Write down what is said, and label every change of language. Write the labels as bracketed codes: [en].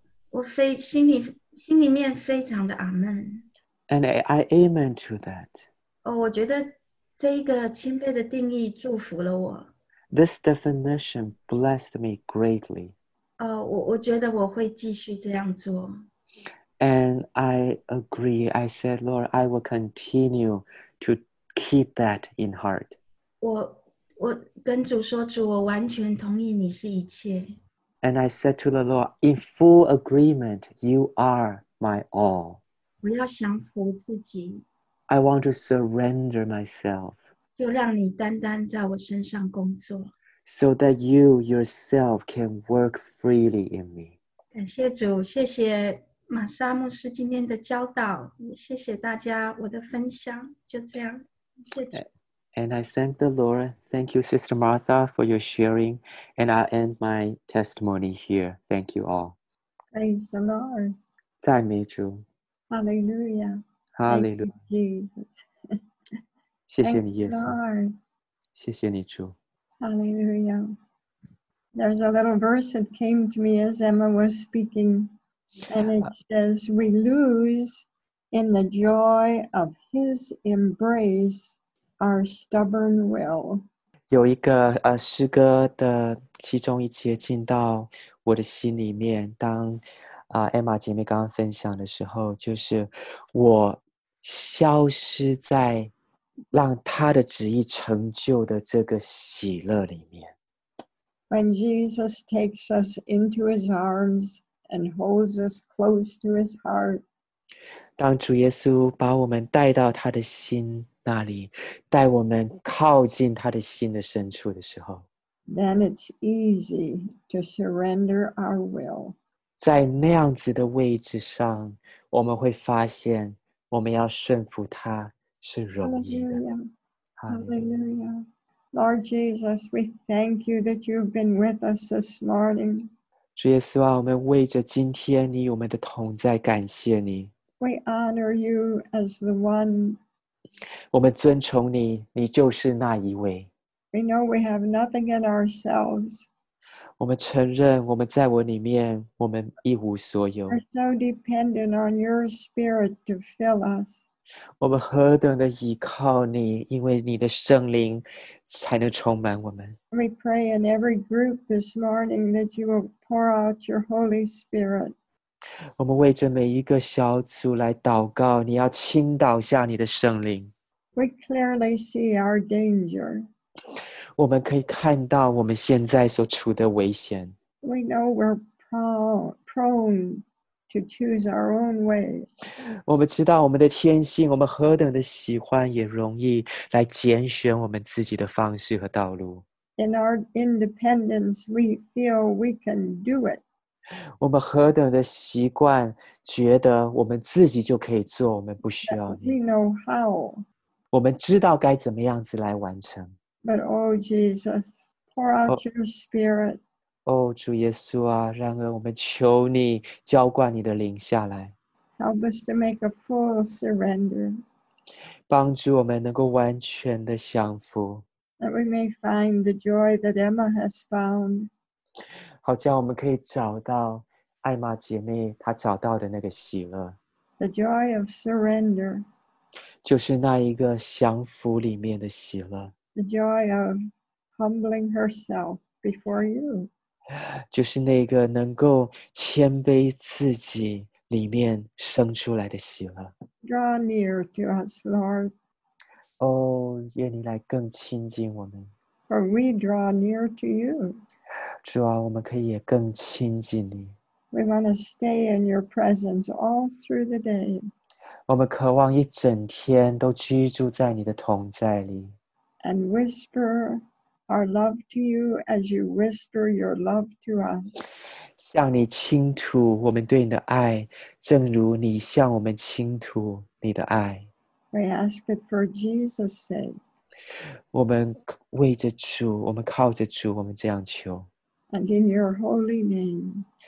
[zh] 我非心里面非常的阿们。 [en] And I amen to that. [zh] 我觉得这个谦卑的定义祝福了我。 [en] This definition blessed me greatly. [zh] 我觉得我会继续这样做。 [en] And I agree. I said, Lord, I will continue to keep that in heart. [zh] 我跟主说，主，我完全同意你是一切。 [en] And I said to the Lord, in full agreement, you are my all. [zh] 我要降服自己。 [en] I want to surrender myself. [zh] 就让你单单在我身上工作。 [en] So that you yourself can work freely in me. [zh] 感谢主，谢谢马沙牧师今天的教导，谢谢大家，我的分享就这样，谢谢。 [en] And I thank the Lord, thank you, Sister Martha, for your sharing, and I end my testimony here. Thank you all. Praise the Lord. [zh] 赞美主。 [en] Hallelujah. Hallelujah. Jesus. [zh] 谢谢你，耶稣。 [en] Lord. [zh] 谢谢你，主。 [en] Hallelujah. There's a little verse that came to me as Emma was speaking. And it says, we lose in the joy of his embrace our stubborn will. [zh] 有一个诗歌的其中一节进到我的心里面，当Emma 姐妹刚刚分享的时候，就是我消失在让他的旨意成就的这个喜乐里面。 [en] When Jesus takes us into his arms and holds us close to his heart, [zh] 当主耶稣把我们带到他的心那里，带我们靠近他的心的深处的时候， [en] then it's easy to surrender our will. [zh] 在那样子的位置上，我们会发现我们要顺服他是容易的。 [en] Hallelujah. Hallelujah. Lord Jesus, we thank you that you've been with us this morning. [zh] 主耶稣啊，我们为着今天你与我们的同在感谢你。 [en] We honor you as the one. [zh] 我们尊崇你，你就是那一位。 [en] We know we have nothing in ourselves. [zh] 我们承认我们在我里面，我们一无所有。 [en] We're so dependent on your spirit to fill us. [zh] 我们何等的依靠你，因为你的圣灵才能充满我们。 [en] We pray in every group this morning that you will pour out your Holy Spirit. [zh] 我们为着每一个小组来祷告，你要倾倒下你的圣灵。 [en] We clearly see our danger. [zh] 我们可以看到我们现在所处的危险。 [en] We know we're prone to choose our own way. [zh] 我们知道我们的天性，我们何等的喜欢也容易来拣选我们自己的方式和道路。 [en] In our independence, we feel we can do it. [zh] 我们何等的习惯，觉得我们自己就可以做，我们不需要你。 [en] We know how. [zh] 我们知道该怎么样子来完成。 [en] But oh Jesus, pour out your spirit. [zh] Oh, 主耶稣啊，然而我们求你浇灌你的灵下来。 [en] Help us to make a full surrender. [zh] 帮助我们能够完全的降服。 [en] That we may find the joy that Emma has found. [zh] 好像我们可以找到艾玛姐妹她找到的那个喜乐。 [en] The joy of surrender. [zh] 就是那一个降服里面的喜乐。 [en] The joy of humbling herself before you. [zh] 就是那个能够谦卑自己里面生出来的喜乐。 [en] Draw near to us, Lord. [zh] Oh, 愿你来更亲近我们。 [en] For we draw near to you. [zh] 主啊，我们可以也更亲近你。 [en] We want to stay in your presence all through the day. [zh] 我们渴望一整天都居住在你的同在里。 [en] And whisper our love to you as you whisper your love to us. [zh] 向你倾吐我们对你的爱，正如你向我们倾吐你的爱。 [en] We ask it for Jesus' sake. [zh] 我们为着主，我们靠着主，我们这样求。 [en] And in your holy name.